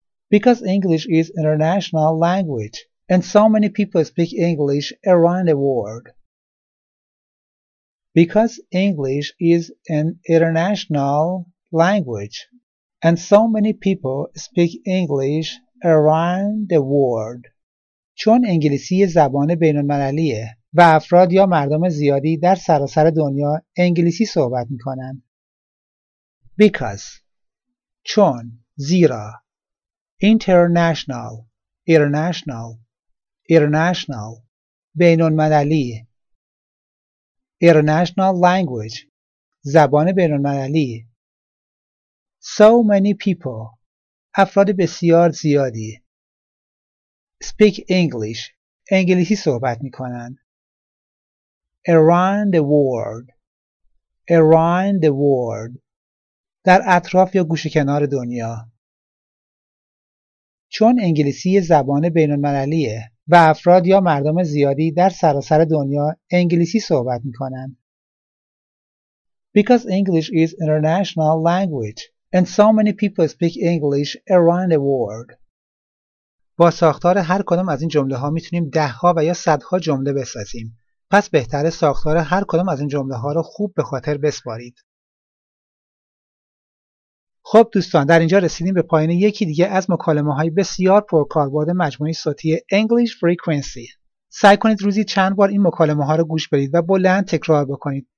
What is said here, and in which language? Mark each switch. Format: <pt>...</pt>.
<en>Because English is international language and so many people speak English around the world. Because English is an international language and so many people speak English around the world.</en> <fa>چون انگلیسی زبان بین المللیه و افراد یا مردم زیادی در سراسر دنیا انگلیسی صحبت میکنن.</fa> <en>Because</en> <fa>چون زیرا</fa> <en>international international international</en> <fa>بین المللی</fa> <en>international language</en> <fa>زبان بین المللی</fa> <en>so many people</en> <fa>افراد بسیار زیادی</fa> <en>speak English</en> <fa>انگلیسی صحبت می کنند</fa> <en>around the world around the world</en> <fa>در اطراف یا گوشه کنار دنیا چون انگلیسی زبان بین المللیه و افراد یا مردم زیادی در سراسر دنیا انگلیسی صحبت می کنند.</fa> <en>Because English is international language and so many people speak English around the world.</en> <fa>با ساختار هر کدام از این جمله ها می تونیم ده ها و یا صد ها جمله بسازیم. پس بهتره ساختار هر کدام از این جمله ها رو خوب به خاطر بسپارید. خب دوستان، در اینجا رسیدیم به پایان یکی دیگه از مکالمه های بسیار پرکاربرد مجموعه صوتی English Frequency. سعی کنید روزی چند بار این مکالمه ها رو گوش بدید و بلند تکرار بکنید.</fa>